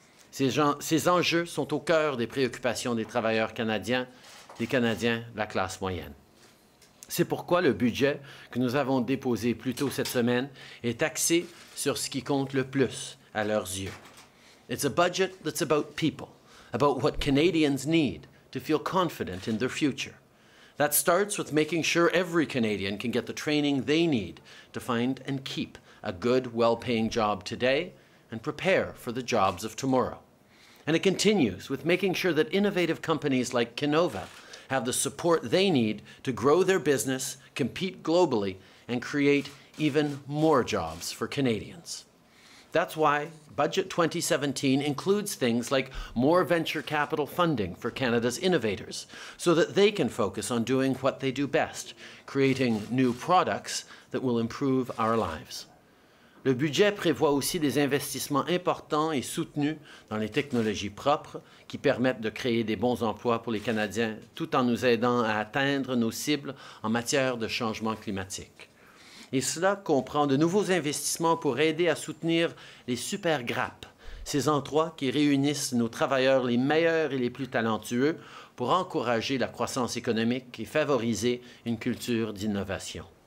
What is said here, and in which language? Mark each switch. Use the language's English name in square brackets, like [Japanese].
[French] Ces enjeux sont au cœur des préoccupations des travailleurs canadiens, des Canadiens de la classe moyenne. C'est pourquoi le budget que nous avons déposé plus tôt cette semaine est axé sur ce qui compte le plus à leurs yeux. [English] It's a budget that's about people. About what Canadians need to feel confident in their future. That starts with making sure every Canadian can get the training they need to find and keep a good, well-paying job today and prepare for the jobs of tomorrow. And it continues with making sure that innovative companies like Kinova have the support they need to grow their business, compete globally, and create even more jobs for Canadians. That's why Budget 2017 includes things like more venture capital funding for Canada's innovators so that they can focus on doing what they do best, creating new products that will improve our lives. [French] Le budget prévoit aussi des investissements importants et soutenus dans les technologies propres qui permettent de créer des bons emplois pour les Canadiens tout en nous aidant à atteindre nos cibles en matière de changement climatique. Et cela comprend de nouveaux investissements pour aider à soutenir les super grappes, ces endroits qui réunissent nos travailleurs les meilleurs et les plus talentueux pour encourager la croissance économique et favoriser une culture d'innovation.